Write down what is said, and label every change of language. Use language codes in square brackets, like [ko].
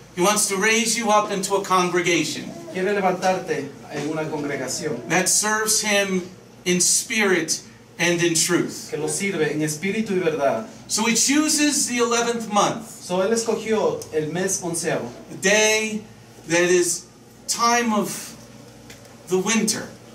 [en] He wants to raise you up into a congregation. [es] Quiere levantarte en una congregación. [en] That serves Him in spirit and in truth. [es] Que lo sirve en espíritu y verdad. [en] So he chooses the 11th month. [es] So él escogió el mes onceavo. [en] The day that is time of the winter.